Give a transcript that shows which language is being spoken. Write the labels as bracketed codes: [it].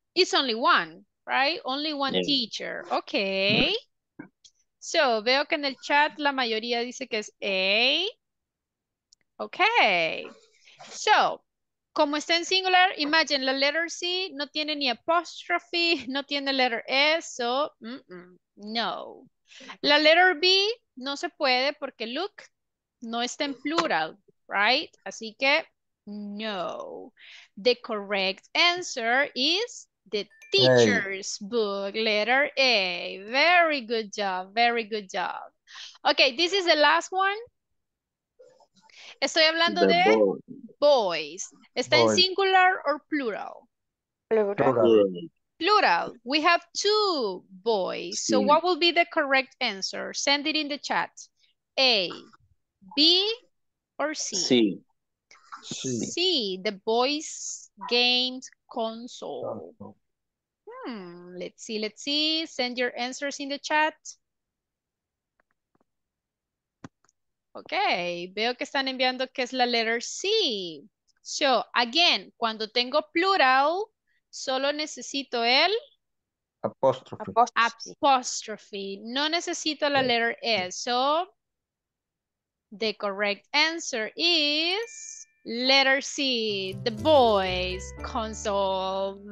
[en] It's only one, right? Only one teacher. Okay. [es] So, veo que en el chat la mayoría dice que es A. Okay. So, como está en singular, imagine la letter C no tiene ni apostrophe, no tiene letter S, so, no. La letter B no se puede porque look no está en plural, right? Así que, no. [en] The correct answer is the teacher's book, letter A. Very good job, very good job. Okay, this is the last one. [es] Estoy hablando de boys. ¿Está en singular or plural? [en] Plural. Plural. We have two boys. So what will be the correct answer? Send it in the chat. A, B, or C? C. C, the boys games console. Let's see, let's see. Send your answers in the chat. [es] Okay, veo que están enviando que es la letter C. So, again, cuando tengo plural, solo necesito el... [en] apostrophe. [es] Apostrophe. No necesito la letter S. [en] So, the correct answer is letter C, the boys console.